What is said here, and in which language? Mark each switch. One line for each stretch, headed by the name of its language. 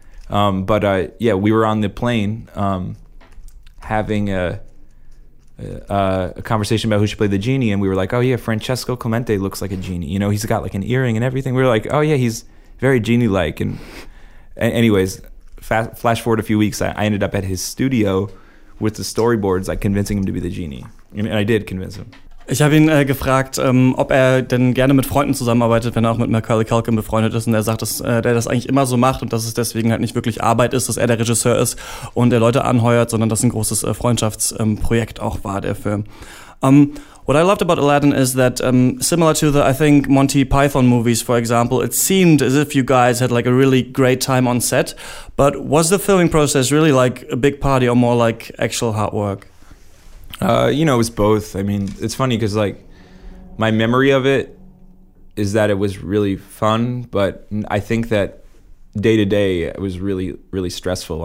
English: Yeah, we were on the plane having a conversation about who should play the genie, and we were like, oh yeah, Francesco Clemente looks like a genie. You know, he's got like an earring and everything. We were like, oh yeah, he's very genie-like. And anyways, flash forward a few weeks, I ended up at his studio with the storyboards, like convincing him to be the genie. And I did convince him.
German: Ich habe ihn gefragt, ob er denn gerne mit Freunden zusammenarbeitet, wenn er auch mit Macaulay Culkin befreundet ist. Und er sagt, dass er das eigentlich immer so macht und dass es deswegen halt nicht wirklich Arbeit ist, dass er der Regisseur ist und der Leute anheuert, sondern dass ein großes Freundschaftsprojekt auch war, der Film.
English: What I loved about Aladdin is that, similar to the, I think, Monty Python movies, for example, it seemed as if you guys had like a really great time on set. But was the filming process really like a big party or more like actual hard work? You know, it was both. I mean, it's funny because, like, my memory of it is that it was really fun, but I think that day to day it was really, really stressful.